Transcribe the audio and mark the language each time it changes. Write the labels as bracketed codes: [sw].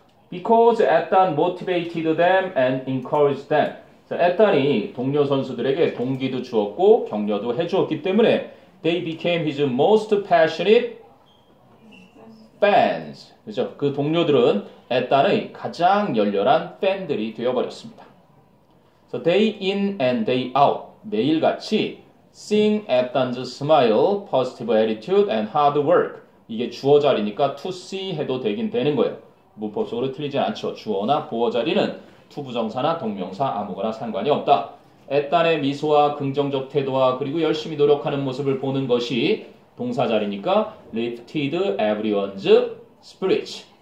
[en] Because Ethan motivated them and encouraged them. [ko] So Ethan이 동료 선수들에게 동기도 주었고 격려도 해주었기 때문에 [en] they became his most passionate fans. [ko] 그죠? 그 동료들은 Ethan의 가장 열렬한 팬들이 되어버렸습니다. [en] So day in and day out, [ko] 매일같이 [en] Seeing Ethan's smile, positive attitude, and hard work. [ko] 이게 주어 자리니까 to see 해도 되긴 되는 거예요. 무법적으로 틀리지 않죠. 주어나 보어 자리는 투부정사나 동명사 아무거나 상관이 없다. 애딴의 미소와 긍정적 태도와 그리고 열심히 노력하는 모습을 보는 것이 동사 자리니까 [en] lifted everyone's spirits.